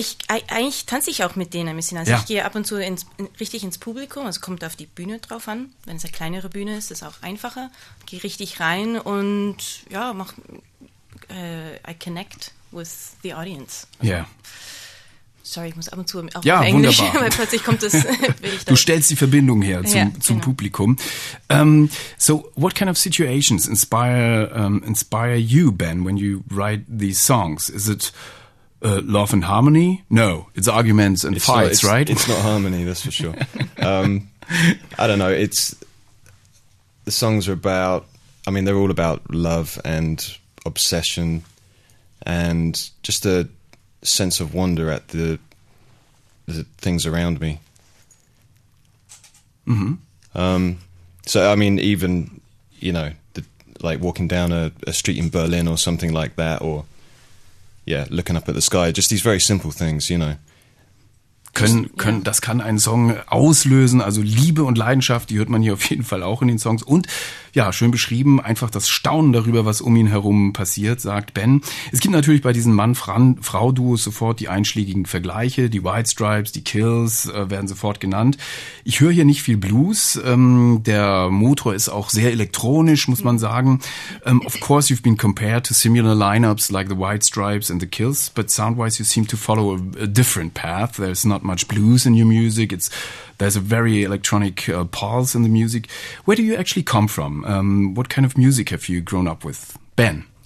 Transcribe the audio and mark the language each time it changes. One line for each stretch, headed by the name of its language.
German: Eigentlich tanze ich auch mit denen ein bisschen. Also ja. Ich gehe ab und zu richtig ins Publikum, also kommt auf die Bühne drauf an. Wenn es eine kleinere Bühne ist, ist es auch einfacher. Gehe richtig rein und ja,
English: I connect with the audience.
German: Ja. Also, sorry, ich muss ab und zu auf Englisch, wunderbar. Weil plötzlich kommt das. Du stellst die Verbindung her zum Publikum.
English: So, what kind of situations inspire you, Ben, when you write these songs? Is it love and harmony? No, it's arguments and fights, right? It's not harmony, that's for sure. I don't know, the songs are about, I mean, they're all about love and obsession and just a sense of wonder at the things around me. Mm-hmm. So I mean, even, you know, like walking down a street in Berlin or something like that, or yeah, looking up at the sky, just these very simple things, you know.
German: Das kann einen Song auslösen, also Liebe und Leidenschaft, die hört man hier auf jeden Fall auch in den Songs. Und ja, schön beschrieben, einfach das Staunen darüber, was um ihn herum passiert, sagt Ben. Es gibt natürlich bei diesen Mann-Frau-Duos sofort die einschlägigen Vergleiche, die White Stripes, die Kills werden sofort genannt. Ich höre hier nicht viel Blues, der Motor ist auch sehr elektronisch, muss man sagen.
English: Of course you've been compared to similar lineups like the White Stripes and the Kills, but sound-wise you seem to follow a different path. There's not much blues in your music. There's a very electronic pulse in the music. Where do you actually come from? What kind of music have you grown up with, Ben?